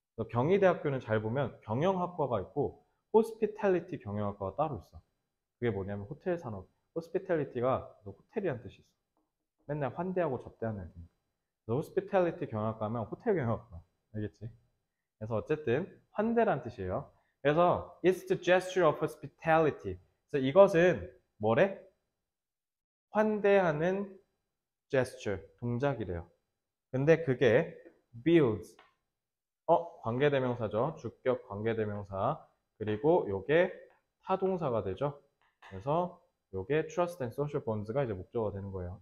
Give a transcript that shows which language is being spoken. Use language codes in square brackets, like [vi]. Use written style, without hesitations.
[ko] 경희대학교는 잘 보면 경영학과가 있고 호스피탈리티 경영학과가 따로 있어. 그게 뭐냐면 호텔 산업. 호스피탈리티가 호텔이란 뜻이 있어. 맨날 환대하고 접대하는 애들. 호스피탈리티 경영학과 하면 호텔 경영학과. 알겠지? 그래서 어쨌든 환대란 뜻이에요. 그래서 [en] it's the gesture of hospitality. [ko] 그래서 이것은 뭐래? 환대하는 gesture, 동작이래요. 근데 그게 builds. 관계대명사죠. 주격 관계대명사. 그리고 요게 타동사가 되죠. 그래서 요게 [en] trust and social bonds [ko] 가 이제 목적어가 되는 거예요.